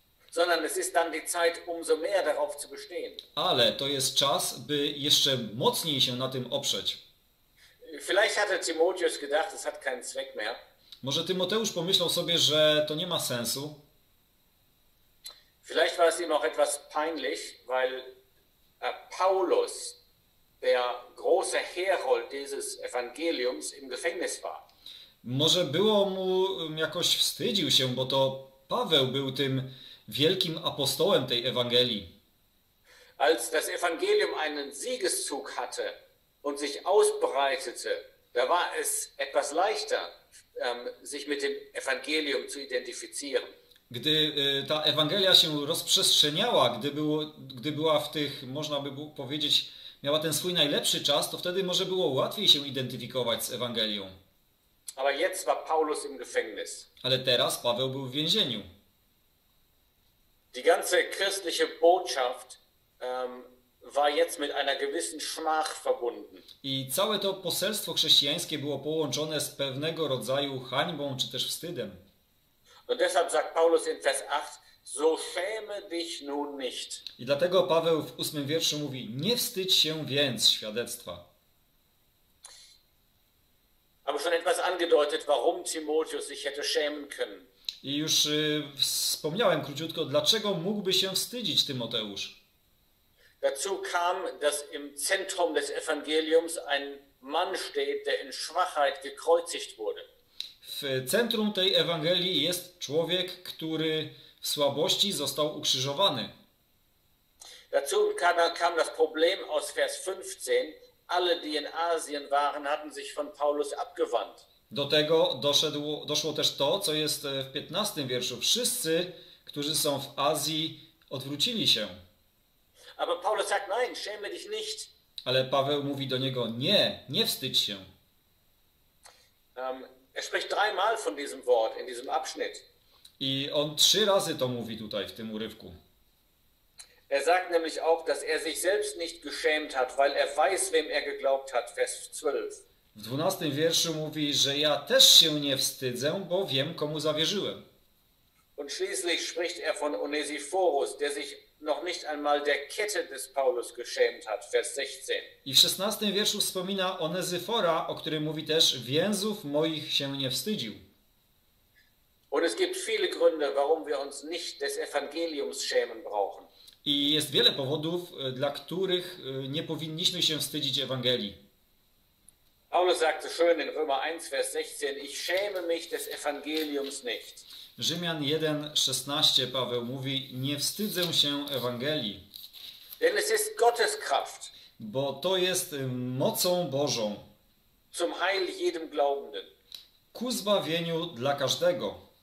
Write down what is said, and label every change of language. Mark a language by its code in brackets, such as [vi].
[de] Sondern es ist dann die Zeit, umso mehr darauf zu bestehen. [pl] Ale to jest czas, by jeszcze mocniej się na tym oprzeć. [de] Vielleicht hatte Timotheus gedacht, es hat keinen Zweck mehr. [pl] Może Tymoteusz pomyślał sobie, że to nie ma sensu. [de] Vielleicht war es ihm auch etwas peinlich, weil Paulus, der große Herold dieses Evangeliums, im Gefängnis war. [pl] Może było mu, jakoś wstydził się, bo to Paweł był tym wielkim apostołem tej Ewangelii. [de] Als das Evangelium einen Siegeszug hatte und sich ausbreitete, da war es etwas leichter, sich mit dem Evangelium zu identifizieren. [pl] Gdy ta Ewangelia się rozprzestrzeniała, gdy była w tych, można by powiedzieć, miała ten swój najlepszy czas, to wtedy może było łatwiej się identyfikować z Ewangelią. [de] Aber jetzt war Paulus im Gefängnis. [pl] Ale teraz Paweł był w więzieniu. [de] Die ganze christliche Botschaft war jetzt mit einer gewissen Schmach verbunden. [pl] I całe to poselstwo chrześcijańskie było połączone z pewnego rodzaju hańbą czy też wstydem. [de] Und deshalb sagt Paulus in Vers 8, so schäme dich nun nicht. [pl] I dlatego Paweł w 8 wierszu mówi, nie wstydź się więc świadectwa. [de] Aber schon etwas angedeutet, warum Timotheus sich hätte schämen können. [pl] I już wspomniałem króciutko, dlaczego mógłby się wstydzić Tymoteusz. [de] Dazu kam, dass im Zentrum des Evangeliums ein Mann steht, der in Schwachheit gekreuzigt wurde. [pl] W centrum tej Ewangelii jest człowiek, który w słabości został ukrzyżowany. [de] Dazu kam das Problem aus Vers 15. Alle, die in Asien waren, hatten sich von Paulus abgewandt. [pl] Do tego doszło też to, co jest w 15 wierszu. Wszyscy, którzy są w Azji, odwrócili się. [de] Aber Paulus sagt, nein, schäme dich nicht. [pl] Ale Paweł mówi do niego, nie, nie wstydź się. [de] Er spricht dreimal von diesem Wort in diesem Abschnitt. [pl] I on trzy razy to mówi tutaj w tym urywku. [de] Er sagt nämlich auch, dass er sich selbst nicht geschämt hat, weil er weiß, wem er geglaubt hat. Vers 12. [pl] W 12 wierszu mówi, że ja też się nie wstydzę, bo wiem, komu zawierzyłem. [de] Und schließlich spricht er von Onesiphorus, der sich noch nicht einmal der Kette des Paulus geschämt hat. Vers 16. [pl] I w 16 wierszu wspomina Onesifora, o którym mówi też, więzów moich się nie wstydził. [de] Und es gibt viele Gründe, warum wir uns nicht des Evangeliums schämen brauchen. [pl] I jest wiele powodów, dla których nie powinniśmy się wstydzić Ewangelii. [de] Paulus sagte schön in Römer 1, Vers 16, ich schäme mich des Evangeliums nicht. [pl] Rzymian 1, 16 Paweł mówi, nie wstydzę się Ewangelii. [de] Denn es ist Gottes Kraft. [pl] Bo to jest mocą Bożą. [de] Zum Heil jedem Glaubenden. [pl] Ku zbawieniu dla każdego.